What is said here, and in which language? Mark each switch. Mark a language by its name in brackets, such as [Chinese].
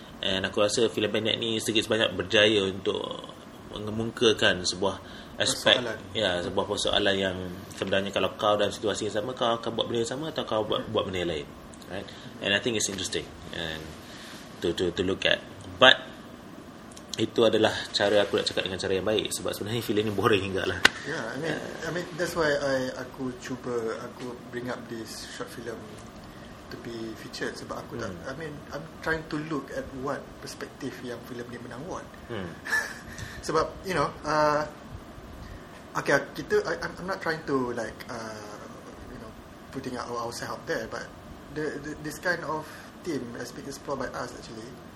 [Malay] And aku rasa filem pendek ni sedikit sebanyak berjaya untuk mengemukakan sebuah aspek, ya, sebuah persoalan yang sebenarnya kalau kau dalam situasi yang sama, kau akan buat benda yang sama atau kau buat benda yang lain, right? [English] And I think it's interesting to look at. [Malay] But itu adalah cara aku nak cakap dengan cara yang baik, sebab sebenarnya filem ni boring hingga lah. [English] I mean that's why aku bring up this short film to be featured, [Malay] sebab aku tak, [English] I mean I'm trying to look at what perspective [Malay] yang filem ni menang [English] award. Sebab you know, okay, kita, I'm not trying to like you know, putting ourselves out there, but this kind of theme has been explored by us actually.